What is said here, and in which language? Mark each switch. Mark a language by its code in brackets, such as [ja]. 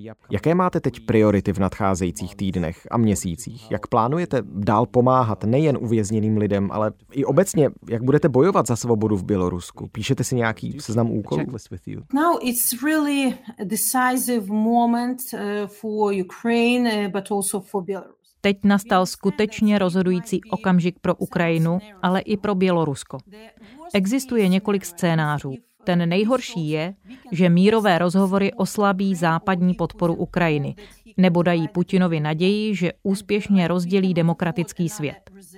[cs] Jaké máte teď priority v nadcházejících týdnech a měsících? Jak plánujete dál pomáhat nejen uvězněným lidem, ale i obecně, jak budete bojovat za svobodu v Bělorusku? Píšete si nějaký seznam úkolů? [en] Now it's really a decisive moment for Ukraine, but also for Belarus. [cs] Teď nastal skutečně rozhodující okamžik pro Ukrajinu, ale i pro Bělorusko. Existuje několik scénářů. Ten nejhorší je, že mírové rozhovory oslabí západní podporu Ukrajiny nebo dají Putinovi naději, že úspěšně rozdělí demokratický svět.